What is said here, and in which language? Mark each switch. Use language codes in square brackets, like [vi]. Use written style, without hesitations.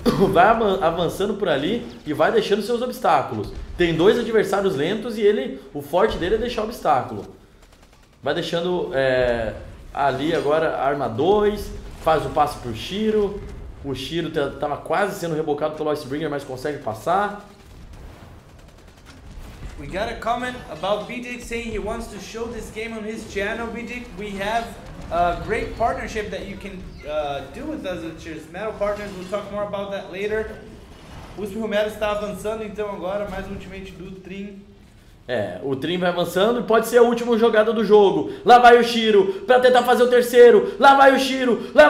[pt] Vai avançando por ali e vai deixando seus obstáculos. Tem dois adversários lentos e ele, o forte dele é deixar o obstáculo. Vai deixando ali agora arma 2, faz o passe pro Shiro. O Shiro tava quase sendo rebocado pelo Icebringer, mas consegue passar. [en] We got a comment about BDIC saying he wants to show this game on his channel. BDIC, we have a great partnership that you can do with us at Cheers Metal Partners. We'll talk more about that later. [pt] O USP Romero está avançando então agora, mais um ultimate do Trin. O Trin vai avançando e pode ser a última jogada do jogo. Lá vai o Shiro para tentar fazer o terceiro. Lá vai o Shiro!